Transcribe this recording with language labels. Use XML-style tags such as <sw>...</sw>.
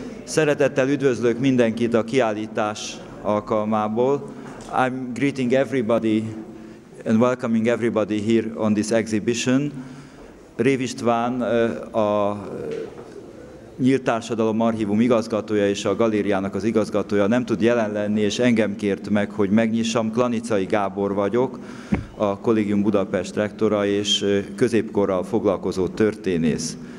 <hu>Szeretettel üdvözlök mindenkit a kiállítás alkalmából.</hu> <en>I'm greeting everybody and welcoming everybody here on this exhibition.</en> <hu>Rév István, a Nyílt Társadalom Archívum igazgatója és a galériának az igazgatója nem tud jelen lenni, és engem kért meg, hogy megnyissam. Klanicai Gábor vagyok, a Kollégium Budapest rektora és középkorral foglalkozó történész.</hu>